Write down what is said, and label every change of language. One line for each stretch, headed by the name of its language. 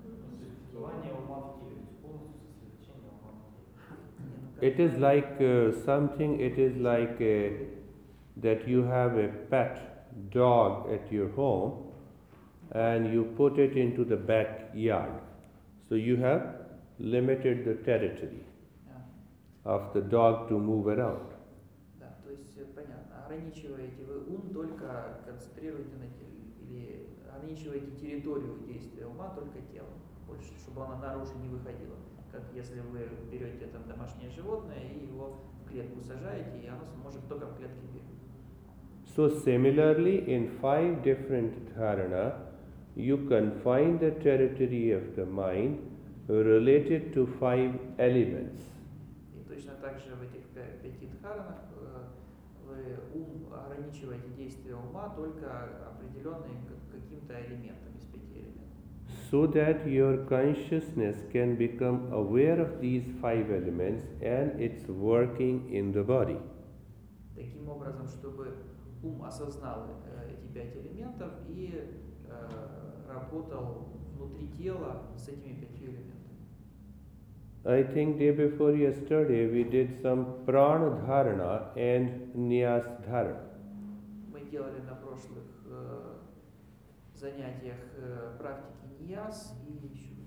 Russian: Сосредоточение ума в теле, полностью сосредоточение ума.
English: It is like something, it is like that you have a pet dog at your home and you put it into the backyard. So you have limited the territory of the dog to move around.
Russian: Да, то есть понятно, ограничиваете вы ум только концентрируете на теле или ограничиваете территорию действия ума только телом, больше чтобы она наружу не выходила. Как если вы берете там домашнее животное и его в клетку сажаете, и оно сможет только в клетке бегать.
English: So similarly, in five different dharana, you confine the territory of the mind related to five elements.
Russian: И точно так же в этих пяти дхаранах вы ум ограничиваете действие ума только определенным каким-то элементом из пяти элементов.
English: So that your consciousness can become aware of these five elements and its working in the body.
Russian: Таким образом, чтобы ум осознал эти пять элементов и работал внутри тела с этими пятью элементами.
English: I think day before yesterday we did some prana dharana and niyas dharana.
Russian: Мы делали на прошлых занятиях практики ньяс и еще